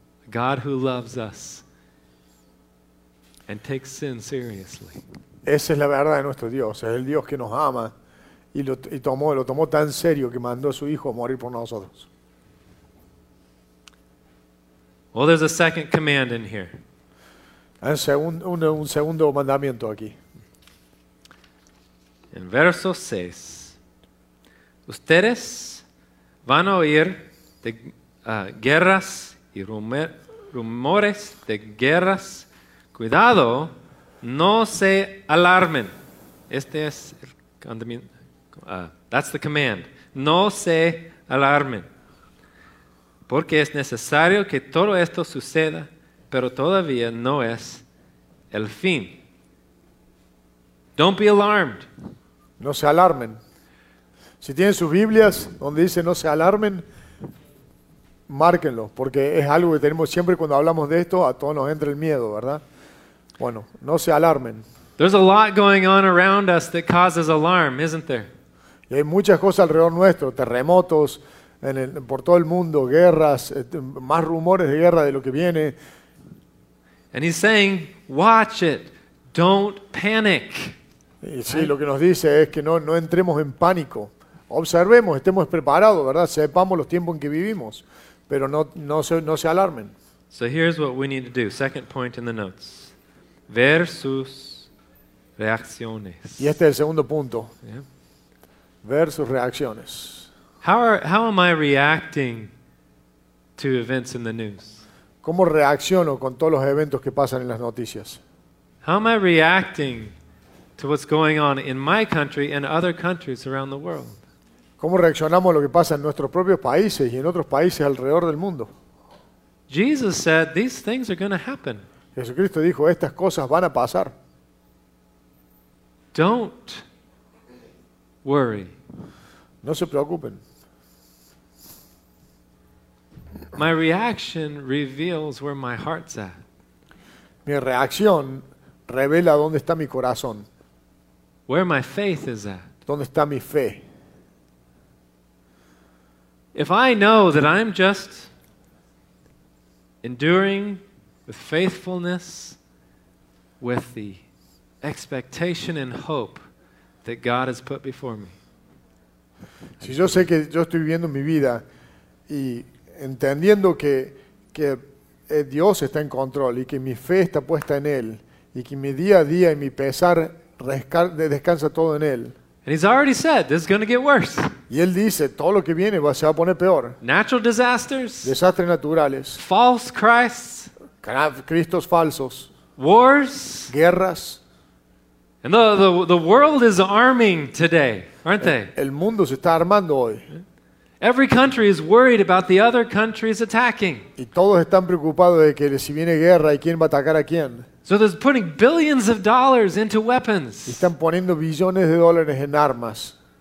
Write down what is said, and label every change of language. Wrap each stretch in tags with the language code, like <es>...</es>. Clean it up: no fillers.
<en>God who loves us and takes sin seriously.</en> <es>Esa es la verdad de nuestro Dios. Es el Dios que nos ama y lo tomó tan serio que mandó a su hijo a morir por nosotros.</es> <en>Well, there's a second command in here.</en> <es>Hay un segundo mandamiento aquí. En verso 6, ustedes van a oír de guerras y rumores de guerras. Cuidado, no se alarmen. Este es el mandamiento.</es> <en>That's the command.</en> <es>No se alarmen. Porque es necesario que todo esto suceda, pero todavía no es el fin.</es> <en>Don't be alarmed.</en> <es>No se alarmen. Si tienen sus Biblias donde dice no se alarmen, márquenlo, porque es algo que tenemos siempre cuando hablamos de esto, a todos nos entra el miedo, ¿verdad? Bueno, no se alarmen.</es> <en>There's a lot going on around us that causes alarm, isn't there?</en> <es>Y hay muchas cosas alrededor nuestro, terremotos por todo el mundo, guerras, más rumores de guerra de lo que viene.</es> <en>And he's saying, watch it, don't panic.</en> <es>Y sí, lo que nos dice es que no entremos en pánico. Observemos, estemos preparados, ¿verdad? Sepamos los tiempos en que vivimos, pero no se alarmen.</es> <en>So here's what we need to do. Second point in the notes.</en> <es>Ver sus reacciones. Y este es el segundo punto. Ver sus reacciones.</es> <en>How am I reacting to events in the news?</en> <es>¿Cómo reacciono con todos los eventos que pasan en las noticias?</es> <en>How am I reacting to what's going on in my country and other countries around the world?</en> <es>¿Cómo reaccionamos a lo que pasa en nuestros propios países y en otros países alrededor del mundo?</es> <en>Jesus said these things are going to happen.</en> <es>Jesucristo dijo, estas cosas van a pasar.</es> <en>Don't worry.</en> <es>No se preocupen.</es> <en>My reaction reveals where my heart's at.</en> <es>Mi reacción revela dónde está mi corazón.</es> <en>Where my faith is at.</en> <es>¿Dónde está mi fe?</es> <en>If I know that I'm just enduring with faithfulness, with the expectation and hope that God has put before me.</en> <es>Si yo sé que yo estoy viviendo mi vida y entendiendo que Dios está en control y que mi fe está puesta en Él y que mi día a día y mi pesar descansa todo en Él.</es> <en>And he's already said, this is going to get worse.</en> <es>Y Él dice, todo lo que viene se va a poner peor.</es> <en>Natural disasters.</en> <es>Desastres naturales.</es> <en>False Christs.</en> <es>Cristos falsos.</es> <en>Wars.</en> <es>Guerras.</es> <en>And the world is arming today, aren't they?</en> <es>El mundo se está armando hoy.</es> <en>Every country is worried about the other countries attacking.</en> <es>Y todos están preocupados de que si viene guerra y quién va a atacar a quién.</es> <en>So they're putting billions of dollars into weapons.</en> <es>Y están poniendo billones de dólares en armas.</es>